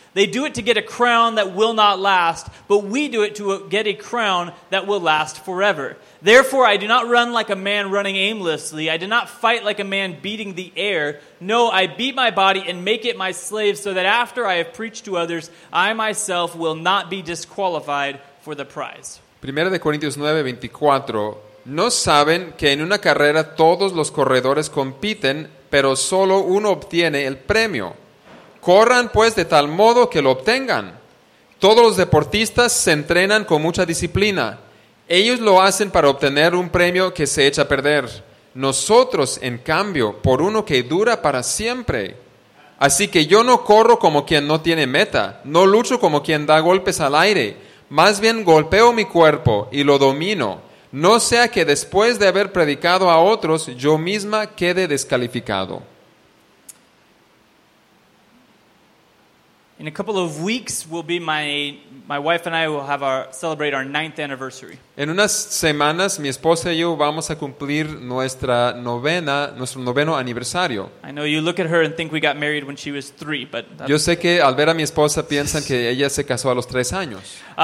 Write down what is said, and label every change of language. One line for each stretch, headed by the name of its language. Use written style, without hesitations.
English: They do it to get a crown that will not last, but we do it to get a crown that will last forever. Therefore, I do not run like a man running aimlessly. I do not fight like a man beating the air. No, I beat my body and make it my slave so that after I have preached to others, I myself will not be disqualified for the prize.
Spanish: 1 Corintios 9, 24. ¿No saben que en una carrera todos los corredores compiten, pero solo uno obtiene el premio? Corran, pues, de tal modo que lo obtengan. Todos los deportistas se entrenan con mucha disciplina. Ellos lo hacen para obtener un premio que se echa a perder. Nosotros, en cambio, por uno que dura para siempre. Así que yo no corro como quien no tiene meta. No lucho como quien da golpes al aire. Más bien golpeo mi cuerpo y lo domino. No sea que después de haber predicado a otros, yo misma quede descalificado.
English: In a couple of weeks, will be my wife and I will have our celebrate our 9th anniversary.
Spanish: En unas semanas, mi esposa y yo vamos a cumplir nuestro noveno aniversario.
English: I know you look at her and think we got married when she was 3, but that's...
Spanish: Yo sé que al ver a mi esposa piensan que ella se casó a los 3 años.